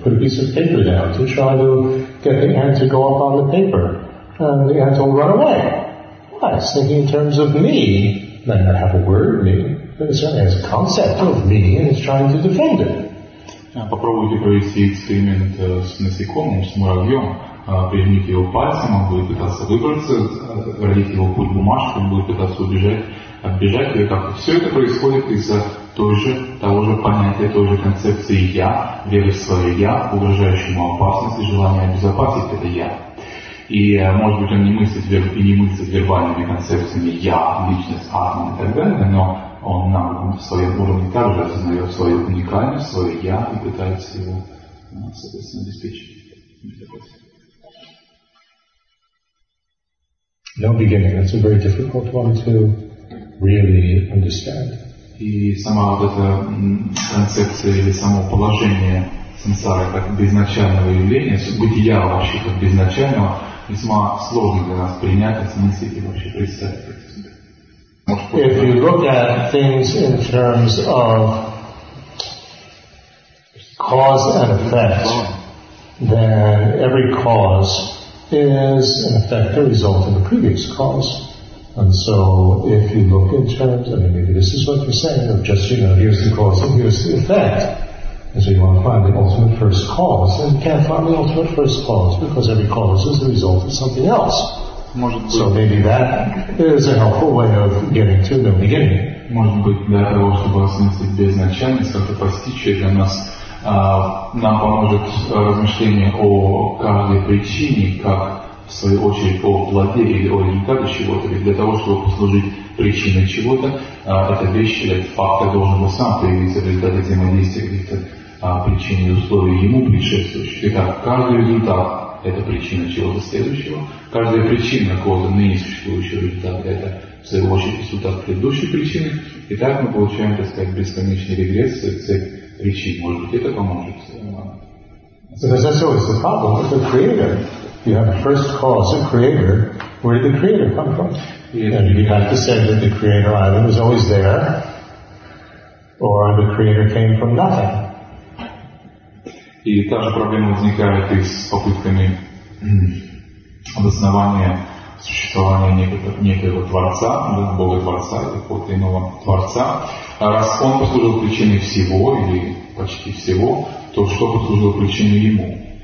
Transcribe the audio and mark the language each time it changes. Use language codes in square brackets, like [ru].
[en] Put a piece of paper down to try to get the ant to go up on the paper, and the ant will run away. Well, it's thinking in terms of me. It might not have a word, me, but it certainly has a concept of me, and it's trying to defend it. [ru] Попробуйте провести эксперимент с насекомым, с муравьем. Прижмите его пальцем, он будет пытаться выбраться, родить его путь бумажки, он будет пытаться убежать, оббежать ее. Так, все это происходит из-за того же понятия, той же концепции «я», веры в свое «я», угрожающему опасности, желание обезопасить это «я». И, может быть, он не мыслит, вербальными концепциями «я», личность, атом и так далее, но он на своем уровне также осознает свою уникальность, свое «я» и пытается его, соответственно, обеспечить. [en] No beginning, that's a very difficult one to really understand. [ru] И сама вот эта концепция или само положение сансары как безначального явления, бытия вообще как безначального, весьма сложно для нас принять, осмыслить и вообще представить. [en] If you look at things in terms of cause and effect, then every cause is in effect a result of the previous cause. And so if you look in terms, I mean, maybe this is what you're saying, of just, you know, here's the cause and here's the effect. And so you want to find the ultimate first cause, and you can't find the ultimate first cause because every cause is the result of something else. So maybe that is a helpful way of getting to the beginning. [ru] Может быть, для того, чтобы осмыслить безначальность, как-то постичь ее для нас, нам поможет размышление о каждой причине, как в свою очередь о плоде или о результате чего-то. Ведь для того, чтобы послужить причиной чего-то, эта вещь или этот факт должен был сам появиться в результате взаимодействия каких-то причин и условий ему предшествующих. Итак, каждый результат – это причина чего-то следующего. Каждая причина какого-то ныне существующего результата – это, в свою очередь, результат предыдущей причины. И так мы получаем, так сказать, бесконечный регресс, цепь причин. Может быть, это поможет. [en] You have the first cause, a creator. Where did the creator come from? Yes. And you have to say that the creator either was always there, or the creator came from nothing. [ru] И та же проблема возникает и с попытками обоснования существования некоего Творца, да, Бога Творца, или какого-то иного Творца. А раз он послужил причиной всего, или почти всего, то что послужило причиной ему?